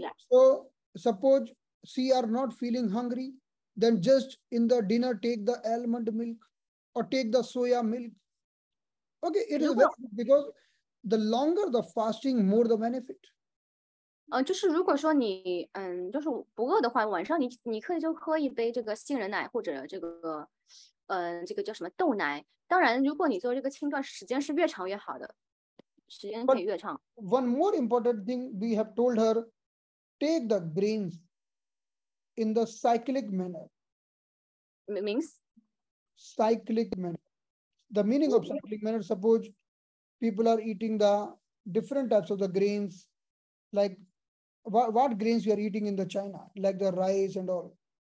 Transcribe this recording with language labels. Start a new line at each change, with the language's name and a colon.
English: So suppose she are not feeling hungry, then just in the dinner take the almond milk or take the soya milk. Okay, it is very, because the longer the fasting, more the benefit.
Chinese: 就是如果说你就是不饿的话，晚上你可以就喝一杯这个杏仁奶或者这个。这个叫什么豆奶？当然，如果你做这个轻断，时间是越长越好的，时间可以越长。
English: But、one more important thing we have told her: take the grains in the cyclic manner. Means cyclic manner. The meaning of cyclic manner: suppose people are eating the different types of the grains, like what grains you are eating in the China, like the rice and all.